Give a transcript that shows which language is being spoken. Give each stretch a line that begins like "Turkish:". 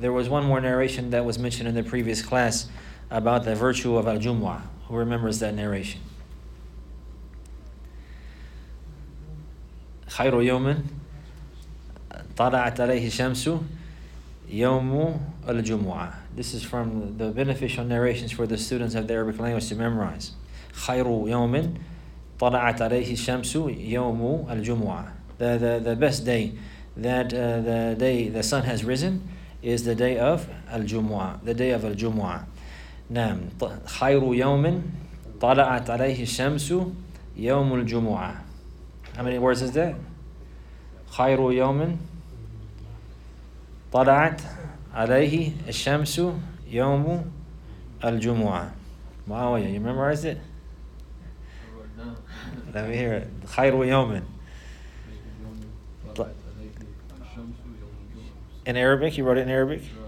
English: There was one more narration that was mentioned in the previous class about the virtue of al-Jumu'ah. Who remembers that narration?
Arabic: خير يوم طلعت عليه الشمس يوم الجمعة.
English: This is from the beneficial narrations for the students of the Arabic language to memorize.
Arabic: خير يوم طلعت عليه الشمس يوم الجمعة.
English: The best day that the day the sun has risen is the day of الجمعة. The day of الجمعة.
Arabic: نعم. خير يوم طلعت عليه الشمس يوم الجمعة.
English: How many words is that?
Arabic: خير يوم طلعت عليه الشمس يوم الجمعة.
English: Muawiya, you memorized it? Let me hear it.
Arabic: خير يوم.
English: In Arabic, you wrote it in Arabic?